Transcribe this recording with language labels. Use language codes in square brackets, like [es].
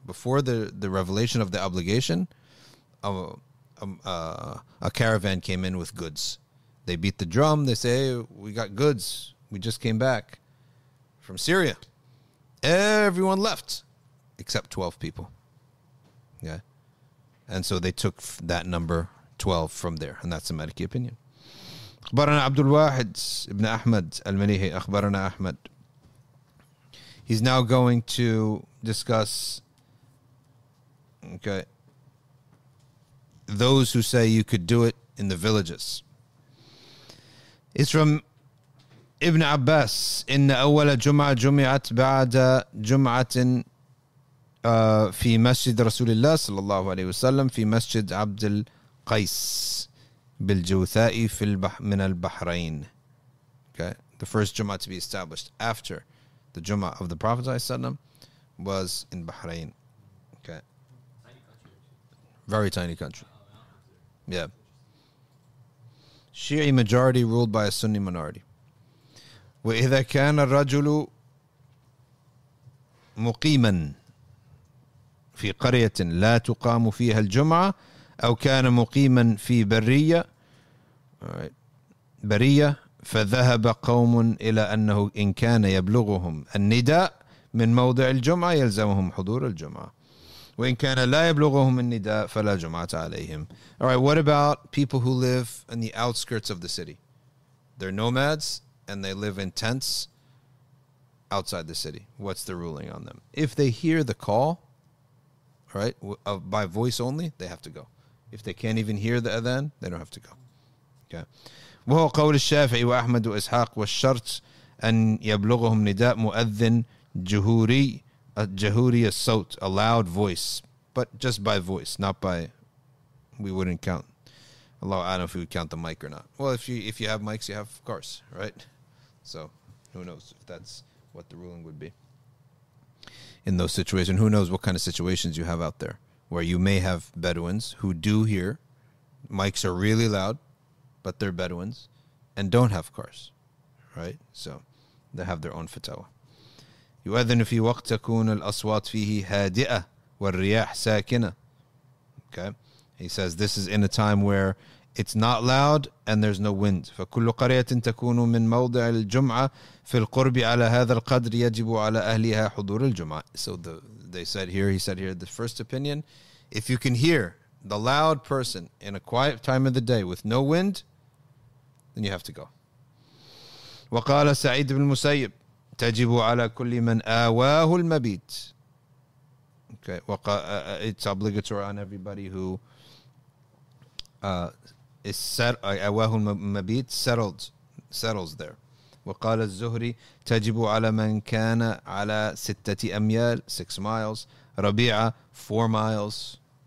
[en] Before the revelation of the obligation, a caravan came in with goods. They beat the drum. They say, hey, we got goods. We just came back from Syria. Everyone left except 12 people. Yeah. And so they took that number 12 from there. And that's the Maliki opinion. [ar] أخبرنا عبد الواحد ابن أحمد المليحي أخبرنا أحمد. [en] He's now going to discuss. Okay. Those who say you could do it in the villages. It's from ابن عباس. [ar] إن أول جمعة جمعت بعد جمعة في مسجد رسول الله صلى الله عليه وسلم في مسجد عبد القيس. بالجوثائي في البح من البحرين. [en] Okay, the first Jummah to be established after the Jummah of the Prophet ﷺ was in Bahrain. Okay, very tiny country. Yeah, Shi'i majority ruled by a Sunni minority. [ar] وإذا كان الرجل مقيما في قرية لا تقام فيها الجمعة أو كان مقيما في برية. [en] Alright. [ar] Bariya, فذهب قوم إلى أنه إن كان يبلغهم النداء من موضع الجمعة يلزمهم حضور الجمعة وإن كان لا يبلغهم النداء فلا جمعة عليهم. [en] Alright, what about people who live in the outskirts of the city? They're nomads and they live in tents outside the city. What's the ruling on them? If they hear the call, right, by voice only, they have to go. If they can't even hear the adhan, they don't have to go. [ar] وهو قول الشافعي وأحمد وإسحاق والشرط أن يبلغهم نداء مؤذن جهوري جهوري الصوت, [en] a loud voice, but just by voice, not by, we wouldn't count. Allah, I don't know if we would count the mic or not. Well, if you have mics, you have cars, right? So who knows if that's what the ruling would be in those situations. Who knows what kind of situations you have out there where you may have Bedouins who do hear, mics are really loud, but they're Bedouins and don't have cars, right? So they have their own fatawa. [ar] يؤذن في وقت تكون الأصوات فيه هادئة والرياح ساكنة. [en] Okay. He says this is in a time where it's not loud and there's no wind. [ar] فكل قرية تكون من موضع الجمعة في القرب على هذا القدر يجب على أهلها حضور الجمعة. [en] So he said here the first opinion, if you can hear the loud person in a quiet time of the day with no wind, then you have to go. [ar] وقال سعيد بن المسيب تجب على كل من آواه المبيت. [en] Okay, it's obligatory on everybody who is set [ar] آواه المبيت, [en] settles there. [ar] وقال الزهري تجب على من كان على ستة أميال, [en] 6 miles. [ar] ربيعة, [en] 4 miles.